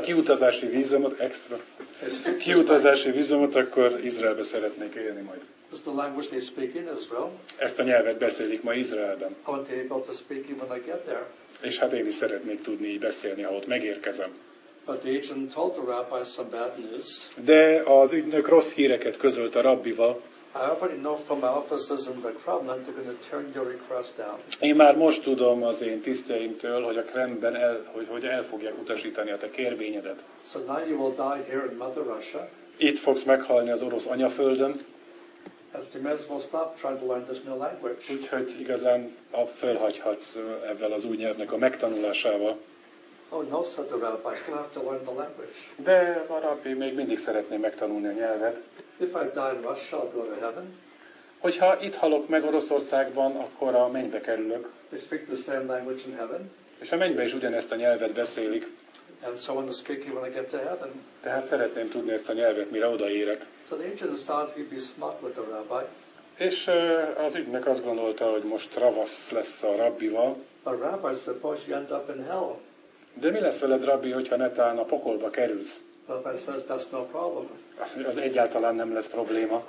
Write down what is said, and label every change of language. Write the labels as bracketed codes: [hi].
[hu] kiutazási vízumot, extra. Kiutazási vízumot, akkor Izraelbe szeretnék élni majd. [en] Is the language they speak in Israel? [hu] Ezt a nyelvet beszélik ma Izraelben. [en] I want to be able to speak it when I get there. [hu] És hát én is szeretnék tudni beszélni, ha ott megérkezem. [en] But the agent told the rabbi some bad news. [hu] De az ügynök rossz híreket közölt a rabbival. [en] I already know from my offices in the Kremlin they're going to turn your request down. [hu] Én már most tudom az én tiszteimtől, hogy a Kremlben hogy el fogják utasítani a te kérvényedet. [en] So now you will die here in Mother Russia. [hu] Itt fogsz meghalni az orosz anyaföldön. [en] As you may as well stop trying to learn this new language. [hu] Úgyhogy igazán fölhagyhatsz ezzel az új nyelvnek a megtanulásával. [en] Oh no, said the rabbi, I'm going to have to learn the language. [hu] De a rabbi még mindig szeretné megtanulni a nyelvet. [en] If I die in Russia, I'll go to heaven. [hu] Hogyha itt halok meg Oroszországban, akkor a mennybe kerülök. [en] They speak the same language in heaven. [hu] És a mennybe is ugyanezt a nyelvet beszélik. [en] And so I want to speak it when I get to heaven. [hu] Tehát szeretném tudni ezt a nyelvet, mire odaérek. [en] So the agent thought he'd be smart with the rabbi. [hu] És az ügynök azt gondolta, hogy most ravasz lesz a rabbival. [en] But rabbi suppose you end up in hell. [hu] De mi lesz veled, rabbi, hogyha netán a pokolba kerülsz? [en] That's no problem. [hu] Az egyáltalán nem lesz probléma.